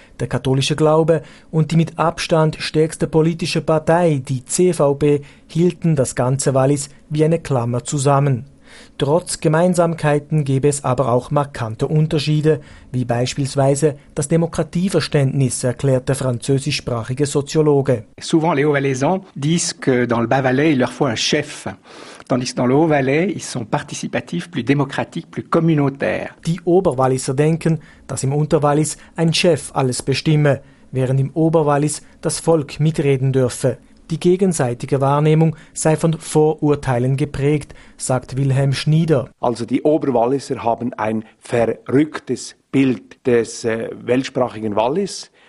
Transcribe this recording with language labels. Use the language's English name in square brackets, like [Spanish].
[German] Der katholische Glaube und die mit Abstand stärkste politische Partei, die CVP, hielten das ganze Wallis wie eine Klammer zusammen. Trotz Gemeinsamkeiten gäbe es aber auch markante Unterschiede, wie beispielsweise das Demokratieverständnis, erklärt der französischsprachige Soziologe. [French] Souvent les Hauts-Valaisans disent que dans le Bas-Valais il leur faut un chef. Tandis que dans le Haut-Valais, ils sont participatifs, plus démocratiques, plus communautaires. [German] Die Oberwalliser denken, dass im Unterwallis ein Chef alles bestimme, während im Oberwallis das Volk mitreden dürfe. Die gegenseitige Wahrnehmung sei von Vorurteilen geprägt, sagt Wilhelm Schnieder. Also die Oberwalliser haben ein verrücktes Bild des weltsprachigen Wallis.